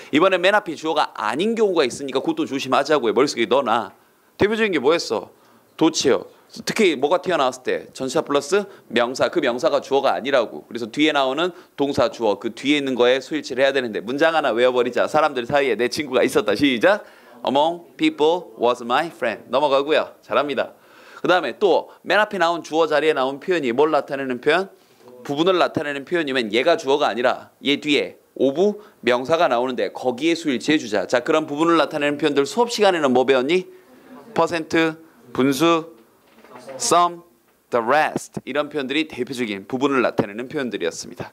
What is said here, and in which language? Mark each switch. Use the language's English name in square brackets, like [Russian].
[Korean] 이번에 맨 앞이 주어가 아닌 경우가 있으니까 그것도 조심하자고요. 머릿속에 넣어놔. 대표적인 게 뭐였어? 도치요. 특히 뭐가 튀어나왔을 때? 전치사 플러스 명사. 그 명사가 주어가 아니라고. 그래서 뒤에 나오는 동사 주어. 그 뒤에 있는 거에 수일치를 해야 되는데 문장 하나 외워버리자. 사람들 사이에 내 친구가 있었다. 시작. [English] Among people was my friend. [Korean] 넘어가고요. 잘합니다. 그 다음에 또 맨 앞에 나온 주어 자리에 나온 표현이 뭘 나타내는 표현? 부분을 나타내는 표현이면 얘가 주어가 아니라 얘 뒤에 오브 명사가 나오는데 거기에 수일치 해주자. 자, 그런 부분을 나타내는 표현들 수업 시간에는 뭐 배웠니? 퍼센트, 분수, sum, the rest 이런 표현들이 대표적인 부분을 나타내는 표현들이었습니다.